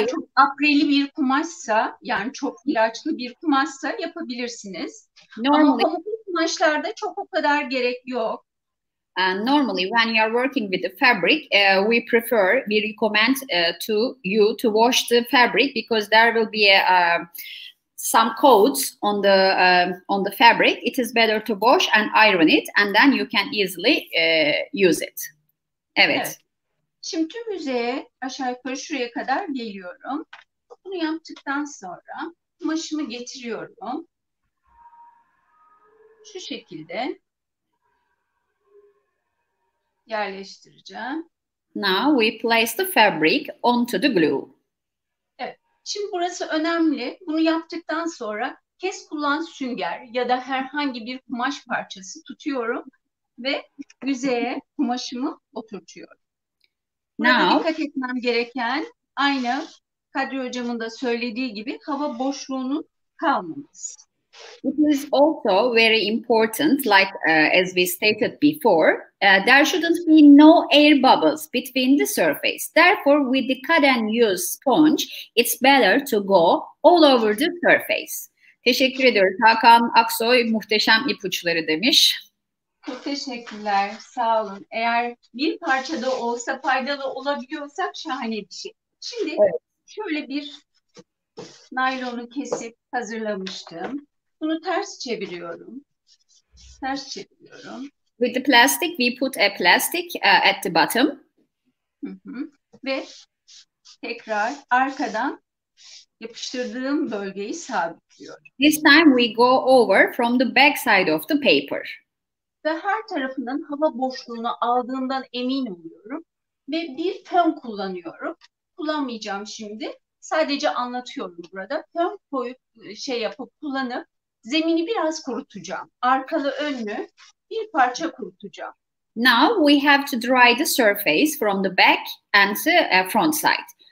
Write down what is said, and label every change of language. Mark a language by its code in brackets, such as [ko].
[tr] eğer çok apreli bir kumaşsa, yani çok ilaçlı bir kumaşsa yapabilirsiniz. [en] Normally, [tr] ama pamuklu kumaşlarda çok o kadar gerek yok. [en] Normally, when you are working with the fabric, we prefer, we recommend to you to wash the fabric because there will be some coats on the fabric. It is better to wash and iron it and then you can easily use it. [tr] Evet. Şimdi tüm yüzeye aşağı yukarı şuraya kadar geliyorum. Bunu yaptıktan sonra kumaşımı getiriyorum. şu şekilde yerleştireceğim. [en] Now we place the fabric onto the glue. [tr] Evet, şimdi burası önemli. Bunu yaptıktan sonra kes kullan sünger ya da herhangi bir kumaş parçası tutuyorum ve yüzeye kumaşımı oturtuyorum. Burada now, dikkat etmem gereken aynı Kadri hocamın da söylediği gibi hava boşluğunun kalmaması. [en] It is also very important, like as we stated before, there shouldn't be no air bubbles between the surface. Therefore, with the cut and use sponge, it's better to go all over the surface. [tr] Teşekkür ediyoruz. Hakan Aksoy muhteşem ipuçları demiş. Çok teşekkürler. Sağ olun. Eğer bir parça da olsa faydalı olabiliyorsak şahane bir şey. Şimdi evet. Şöyle bir naylonu kesip hazırlamıştım. Bunu ters çeviriyorum. Ters çeviriyorum. [en] With the plastic, we put a plastic at the bottom. [tr] Hı-hı. Ve tekrar arkadan yapıştırdığım bölgeyi sabitliyorum. [en] This time we go over from the back side of the paper. [tr] Ve her tarafından hava boşluğunu aldığından emin oluyorum. Ve bir fön kullanıyorum. Kullanmayacağım şimdi. Sadece anlatıyorum burada. Fön koyup şey yapıp kullanıp zemini biraz kurutacağım. Arkalı önlü bir parça kurutacağım. [en] Now we have to dry the surface from the back and the front side.